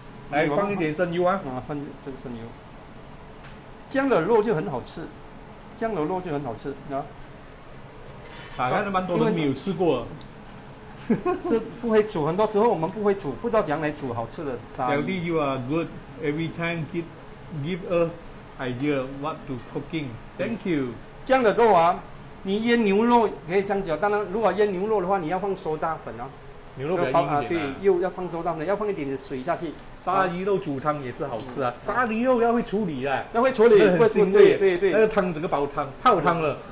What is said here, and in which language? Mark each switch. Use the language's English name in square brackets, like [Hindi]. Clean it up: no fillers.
[Chinese] 来放一点生油啊。啊，放这个生油。姜的肉就很好吃，姜的肉就很好吃啊！啊，那蛮多人没有吃过，是不会煮。很多时候我们不会煮，不知道怎样来煮好吃的炸鱼。 [English] Daddy, you are good. Every time give us idea what to cooking. Thank you. [Chinese] 姜的肉啊，你腌牛肉可以这样子。当然，如果腌牛肉的话，你要放苏打粉啊。牛肉比较硬一点、啊啊、对，又要放苏打粉，要放一点点水下去。鲨鱼肉煮汤也是好吃啊，鲨鱼肉要会处理啊，要会处理，很腥味，对对对，那个汤整个煲汤泡汤了，